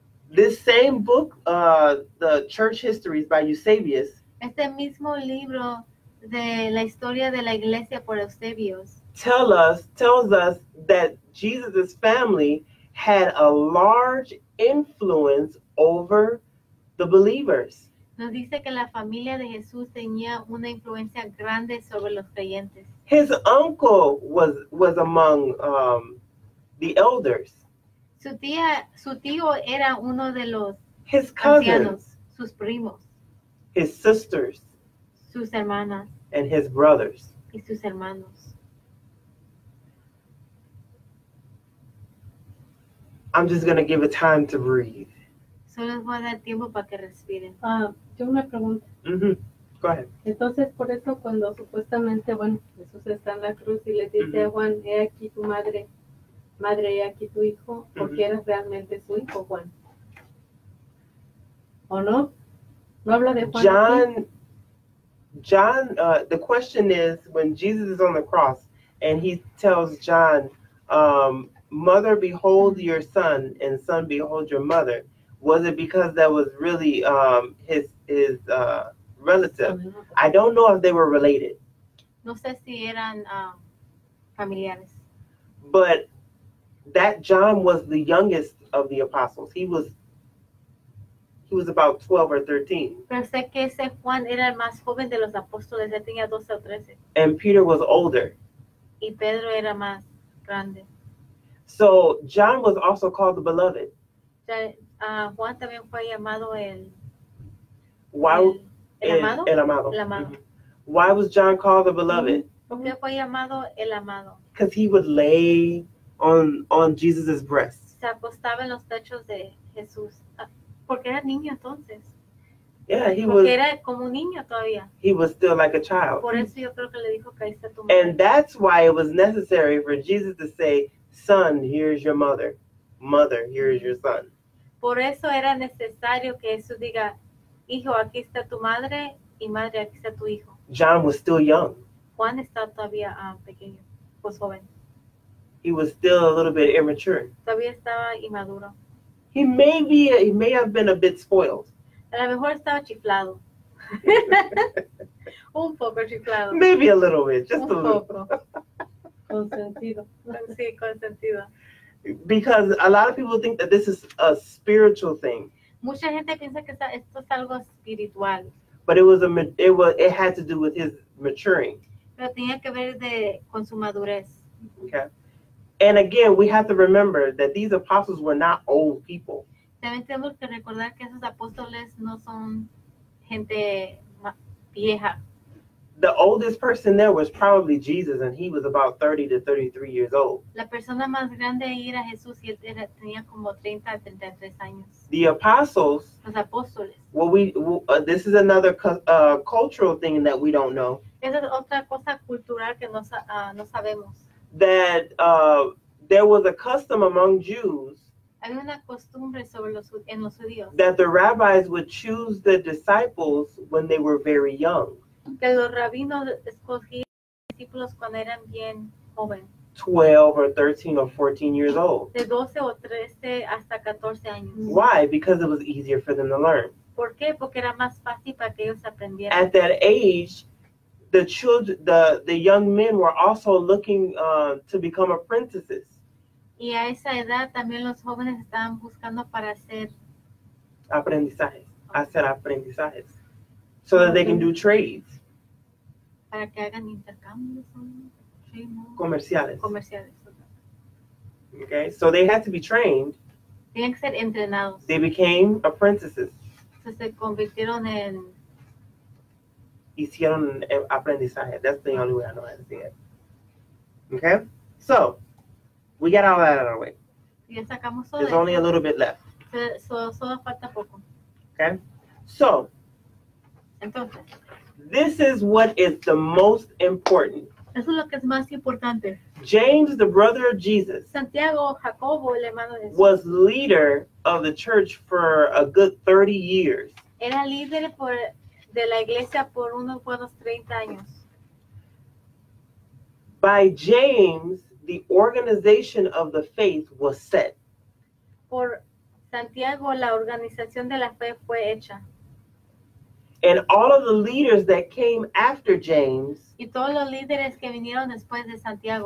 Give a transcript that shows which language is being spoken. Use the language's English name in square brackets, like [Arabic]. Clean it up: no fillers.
[English] This same book, the Church Histories by Eusebius. [Spanish] Este mismo libro de la historia de la iglesia por Eusebius. [English] Tells us that Jesus' family had a large influence over the believers. [Spanish] Nos dice que la familia de Jesús tenía una influencia grande sobre los creyentes. [English] His uncle was among the elders. [Spanish] Su tío era uno de los [English] his cousins, [Spanish] ancianos, sus primos, [English] his sisters, [Spanish] sus hermanas, [English] and his brothers, [Spanish] y sus hermanos. [English] I'm just going to give a time to breathe. [Spanish] Solo voy a dar tiempo para que respiren. Yo una pregunta. [English] Mm-hmm. Go ahead. [Spanish] Entonces, por eso cuando supuestamente, bueno, Jesús está en la cruz y le dice mm-hmm. a Juan, he aquí tu madre. Madre, y aquí tu hijo, porque eres realmente su hijo, Juan. ¿O no? No habla de Juan. [English] John, the question is when Jesus is on the cross and he tells John, mother, behold your son, and son, behold your mother. Was it because that was really his relative? I don't know if they were related. [Spanish] No sé si eran familiares. [English] But that John was the youngest of the apostles. He was about 12 or 13. [Spanish] Pero sé que ese Juan era el más joven de los apóstoles. Él tenía 12 o 13. [English] And Peter was older. [Spanish] Y Pedro era más grande. [English] So John was also called the beloved. [Spanish] Juan también fue llamado el [English] Why [Spanish] el amado. [English] Why was John called the beloved? [Spanish] Porque fue llamado el amado. [English] Because he would lay on Jesus' breast. [Spanish] Se acostaba en los pechos de Jesús. Porque era niño entonces. [English] Yeah, he [Spanish] porque [English] was. [Spanish] Era como niño todavía. [English] He was still like a child. [Spanish] Por eso yo creo que le dijo que ahí está tu madre. [English] And that's why it was necessary for Jesus to say, "Son, here's your mother. Mother, here's your son." [Spanish] Por eso era necesario que Jesús diga, "Hijo, aquí está tu madre, y madre, aquí está tu hijo." [English] John was still young. [Spanish] Juan está todavía pequeño, pues joven. [English] He was still a little bit immature. [Spanish] Todavía estaba inmaduro. [English] He may have been a bit spoiled. [Spanish] A lo mejor estaba chiflado. Un poco chiflado. [English] Maybe a little bit, just [Spanish] un [English] a little. [Spanish] Un poco. Consentido. Sí, consentido. [English] Because a lot of people think that this is a spiritual thing. [Spanish] Mucha gente piensa que esto es algo espiritual. [English] But it had to do with his maturing. [Spanish] Pero tenía que ver con su madurez. [English] Okay. And again, we have to remember that these apostles were not old people. [Spanish] También tenemos que recordar que esos apóstoles no son gente vieja. [English] The oldest person there was probably Jesus, and he was about 30 to 33 years old. [Spanish] La persona más grande ahí era Jesús, y tenía como 30 a 33 años. [English] The apostles. [Spanish] Los apóstoles. [English] This is another cultural thing that we don't know. [Spanish] Esa es otra cosa cultural que no sabemos. [English] That there was a custom among Jews. [Spanish] Había una costumbre sobre en los judíos. [English] That the rabbis would choose the disciples when they were very young. [Spanish] Que los rabinos escogían discípulos cuando eran bien jóvenes. [English] 12 or 13 or 14 years old. [Spanish] De 12 o 13 hasta 14 años. [English] Why? Because it was easier for them to learn. [Spanish] ¿Por qué? Porque era más fácil para que ellos aprendieran. [English] At that age, the children, the young men were also looking to become apprentices. [Spanish] Y a esa edad también los jóvenes estaban buscando para hacer aprendizajes. [English] Okay. [Spanish] Hacer aprendizajes. [English] So that they can do trades. [Spanish] Para que hagan intercambios. Comerciales. Comerciales. [English] Okay, so they had to be trained. [Spanish] Tienen que ser entrenados. [English] They became apprentices. [Spanish] So se convirtieron en. Hicieron aprendizaje. [English] That's the only way I know how to say it. Okay, so we got all that out of the way. [Spanish] Ya sacamos [English] todo. There's only a little bit left. [Spanish] Solo falta poco. [English] Okay, so. [Spanish] Entonces, [English] this is what is the most important. [Spanish] Eso es lo que es más importante. [English] James, the brother of Jesus, [Spanish] Santiago, Jacobo, el hermano de Jesús, [English] was leader of the church for a good 30 years. [Spanish] Era líder de la iglesia por unos buenos 30 años. [English] By James, the organization of the faith was set. [Spanish] Por Santiago, la organización de la fe fue hecha. [English] And all of the leaders that came after James, [Spanish] y todos los líderes que vinieron después de Santiago,